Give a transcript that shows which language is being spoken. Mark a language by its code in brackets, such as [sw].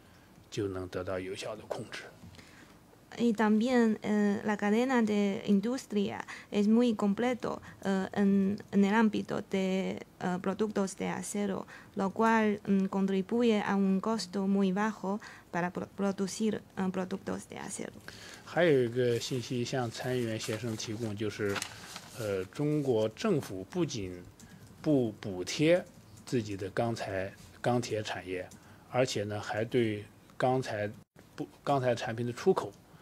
[zh] 还有一个重要的原因就是中国钢铁产业这个产业链是完整的，从上游到下游，都可以很容易的在中国国内能找到。这样的话，这个生产钢材产品的成本就能得到有效的控制。 [es] Y también la cadena de industria es muy completo en el ámbito de productos de acero, lo cual contribuye a un costo muy bajo para producir productos de acero. [zh] 还有一个信息向参议员先生提供，就是中国政府不仅不补贴自己的钢材产业，而且呢还对钢材产品的出口。